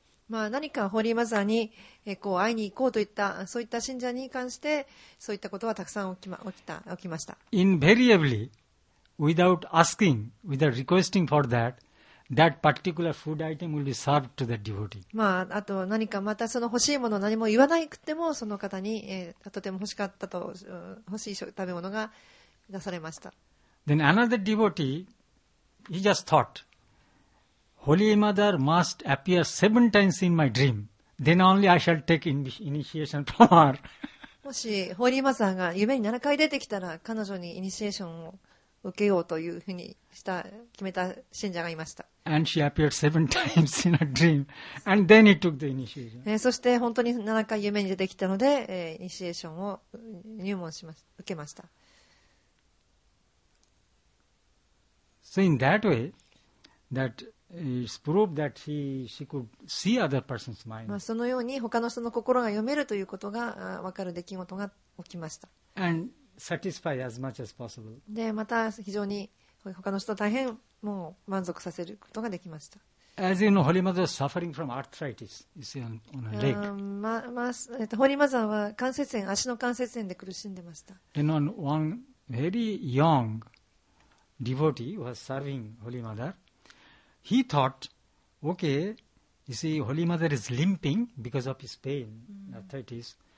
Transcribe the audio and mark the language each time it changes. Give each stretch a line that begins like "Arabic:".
Japanese: まあ何かホーリーマザーにこう会いに行こうといったそういった信者に関してそういったことはたくさん起きました。
English: Invariably, without asking, without requesting for that, that particular food item will be served to the devotee.
Japanese: まああと何かまたその欲しいものを何も言わなくてもその方に、とても欲しかったと欲しい食べ物が出されました。
English: Then another devotee. He just thought, Holy Mother must appear 7 times in my dream. Then only I shall take initiation from her.
Japanese: もし、ホーリーマザーが夢に7回出てきたら、彼女にイニシエーションを受けようというふうにした、決めた信者がいました。
English: And she appeared 7 times in a dream. And then he took the initiation.
Japanese: そして、本当に7回夢に出てきたので、イニシエーションを入門しました、受けました。
English: So in that way, that it's proved that she could see other person's mind.
Japanese: まあそのように他の人の心が読めるということが分かる出来事が起きました。
English: And satisfy as much as possible.
Japanese: でまた非常に他の人大変もう満足させることができました。
English: As you know, Holy Mother is suffering from arthritis. You see on her leg.
Japanese: Holy Mother は関節炎、足の関節炎で苦しんでました。
English: Then on one very young. Devotee was serving Holy Mother. He thought, okay, you see, Holy Mother is limping because of his pain, arthritis.